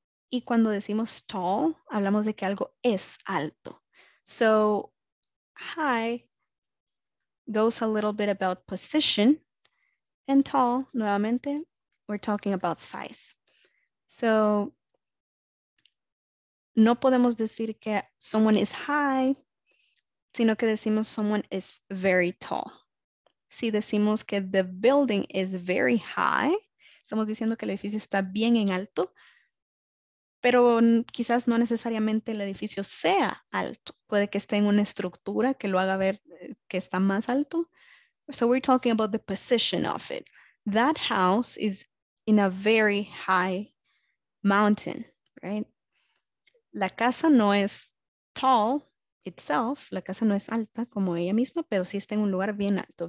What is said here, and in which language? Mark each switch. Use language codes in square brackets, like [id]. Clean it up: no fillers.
[es] Y cuando decimos tall, hablamos de que algo es alto. [en] So, high goes a little bit about position, and tall, [es] nuevamente, [en] we're talking about size. So, [es] no podemos decir que [en] someone is high, [es] sino que decimos [en] someone is very tall. [es] Si decimos que [en] the building is very high, [es] estamos diciendo que el edificio está bien en alto, pero quizás no necesariamente el edificio sea alto. Puede que esté en una estructura que lo haga ver que está más alto. [en] So we're talking about the position of it. That house is in a very high mountain, right? [es] La casa no es [en] tall itself. [es] La casa no es alta como ella misma, pero sí está en un lugar bien alto.